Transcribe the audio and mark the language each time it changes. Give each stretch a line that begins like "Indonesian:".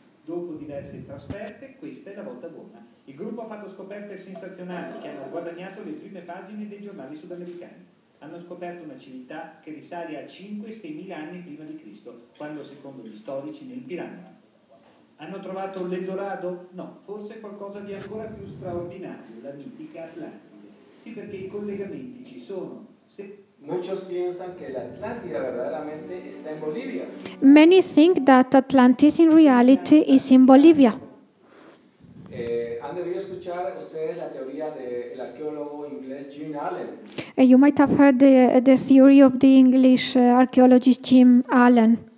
Italian: Dopo diverse trasferte, questa è la volta buona. Il gruppo ha fatto scoperte sensazionali che hanno guadagnato le prime pagine dei giornali sudamericani. Hanno scoperto una civiltà che risale a 5-6.000 anni prima di Cristo, quando secondo gli storici nel Piranha. Hanno trovato l'Eldorado? No, forse qualcosa di ancora più straordinario, la mitica Atlantide. Sì, perché i collegamenti ci sono. Se...
Spanish: Muchos piensan que la Atlántida verdaderamente está en Bolivia.
English: Many think that Atlantis in reality is in Bolivia.
Spanish: Han debido escuchar ustedes la teoría del arqueólogo inglés Jim Allen.
English: You might have heard the theory of the English archaeologist Jim Allen.